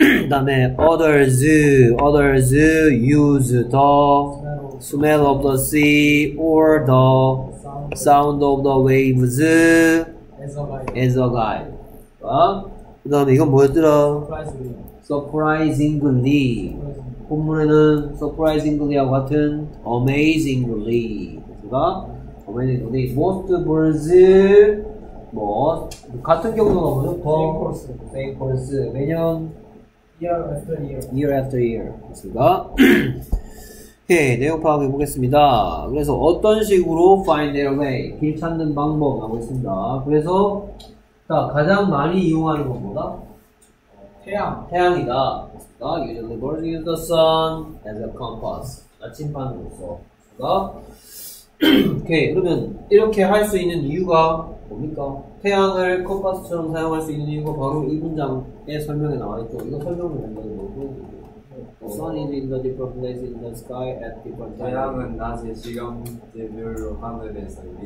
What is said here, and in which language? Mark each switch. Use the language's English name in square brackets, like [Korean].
[Korean] 다음에 [English] others use the smell of the sea or the sound of the waves as a guide. [Korean] 그다음에 이건 뭐였더라? Surprisingly. 본문에는 surprisingly 하고 같은 amazingly. 그렇습니까? [English] Most birds, [Korean] 뭐, 같은 경우도 나오죠? [English] Same course. [Korean] 매년? [English] Year after year. [Korean] 맞습니다. 예, 내용 파악해 보겠습니다. 그래서 어떤 식으로 [English] find their way, [Korean] 길 찾는 방법 하고 있습니다. 그래서, 자, 가장 많이 이용하는 건 뭐다? 태양. 태양이다. 맞습니다. [English] Usually birds use the sun as a compass. [Korean] 나침반으로서. 맞습니다. 오케이. 그러면 이렇게 할 수 있는 이유가 뭡니까? 태양을 컴파스처럼 사용할 수 있는 이유가 바로 이 문장의 설명에 나와있죠. 이거 설명을 한다는 거고. 네. [English] Sun is in the different place in the sky at different time. [Korean] 태양은 낮에 시간대별로 하늘에서